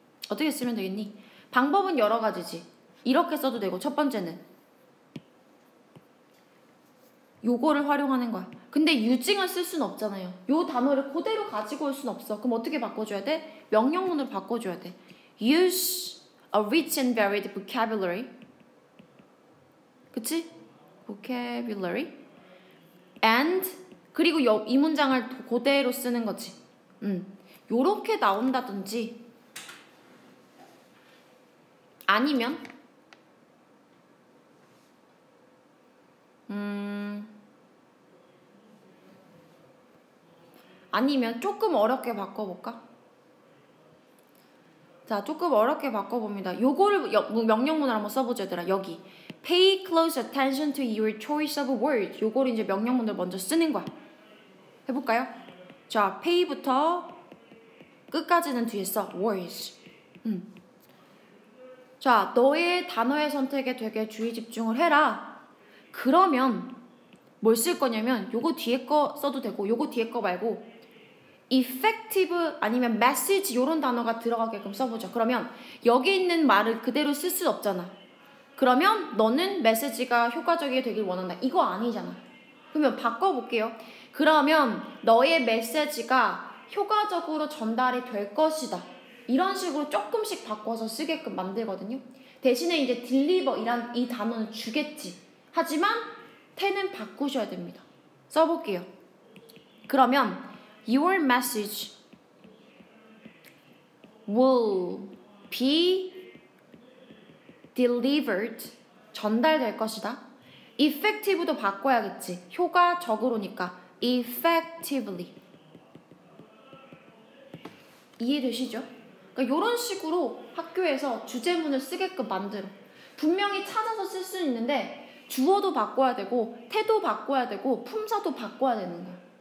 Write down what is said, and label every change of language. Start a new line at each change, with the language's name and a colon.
Korean: 어떻게 쓰면 되겠니? 방법은 여러 가지지. 이렇게 써도 되고 첫 번째는 요거를 활용하는 거야. 근데 유징을 쓸 순 없잖아요. 요 단어를 그대로 가지고 올 순 없어. 그럼 어떻게 바꿔줘야 돼? 명령문으로 바꿔줘야 돼.
English: Use a rich and varied vocabulary.
Korean: 그치? Vocabulary. And 그리고 이 문장을 그대로 쓰는 거지. 요렇게 나온다든지 아니면 아니면 조금 어렵게 바꿔볼까? 자, 조금 어렵게 바꿔봅니다. 요거를 명령문을 한번 써보자, 얘들아. 여기
English: Pay close attention to your choice of words.
Korean: 요거를 이제 명령문을 먼저 쓰는 거야. 해볼까요? 자, pay부터 끝까지는 뒤에 써 words. 자, 너의 단어의 선택에 되게 주의 집중을 해라. 그러면 뭘 쓸 거냐면 요거 뒤에 거 써도 되고 요거 뒤에 거 말고 effective 아니면 message 요런 단어가 들어가게끔 써보죠. 그러면 여기 있는 말을 그대로 쓸 수 없잖아. 그러면 너는 메시지가 효과적이게 되길 원한다. 이거 아니잖아. 그러면 바꿔볼게요. 그러면 너의 메시지가 효과적으로 전달이 될 것이다. 이런 식으로 조금씩 바꿔서 쓰게끔 만들거든요. 대신에 이제 deliver 이란 이 단어는 주겠지. 하지만 텐은 바꾸셔야 됩니다. 써볼게요.
English: 그러면 your message will be delivered
Korean: 전달될 것이다. effective도 바꿔야겠지. 효과적으로니까 effectively. 이해되시죠? 그러니까 이런 식으로 학교에서 주제문을 쓰게끔 만들어. 분명히 찾아서 쓸 수는 있는데 주어도 바꿔야 되고 태도 바꿔야 되고 품사도 바꿔야 되는 거야.